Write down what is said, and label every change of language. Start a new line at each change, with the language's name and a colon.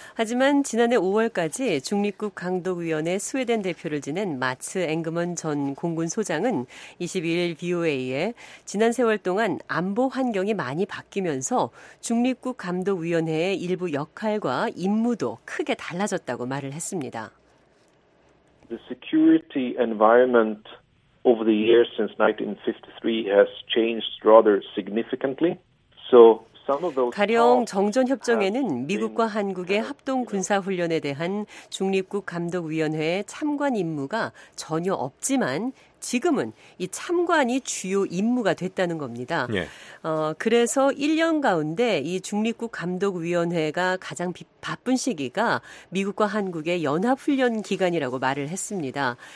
Korean: 하지만 지난해 5월까지 중립국 감독위원회 스웨덴 대표를 지낸 마츠 앵그먼 전 공군 소장은 22일 VOA에 지난 세월 동안 안보 환경이 많이 바뀌면서 중립국 감독위원회의 일부 역할과 임무도 크게 달라졌 다고 말을 했습니다.
English: The security environment over the years since 1953 has changed rather significantly. So
Korean: 가령 정전협정에는 미국과 한국의 합동군사훈련에 대한 중립국 감독위원회의 참관 임무가 전혀 없지만 지금은 이 참관이 주요 임무가 됐다는 겁니다. 예. 그래서 1년 가운데 이 중립국 감독위원회가 가장 바쁜 시기가 미국과 한국의 연합훈련 기간이라고 말을 했습니다.